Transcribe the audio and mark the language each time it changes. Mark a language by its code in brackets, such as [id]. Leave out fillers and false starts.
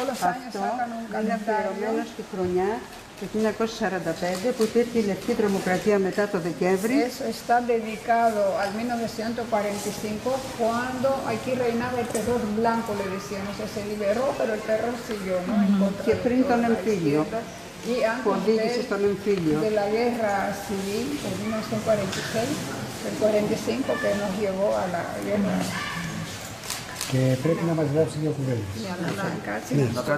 [el] Αυτό είναι αφιερωμένο στη χρονιά το 1945, που υπήρχε η Λευκή Τρομοκρατία μετά το Δεκέμβρη. [es] Está dedicado al 1945, cuando aquí reinaba el terror blanco, le decían. O sea, se liberó, pero el terror siguió, ¿no? [el] Και πριν τον εμφύλιο, που οδήγησε στον εμφύλιο. [es] De la guerra civil, el 1946, el 45 que nos llevó a la guerra. [el] Και πρέπει να μας γράψει δύο κουβέντες.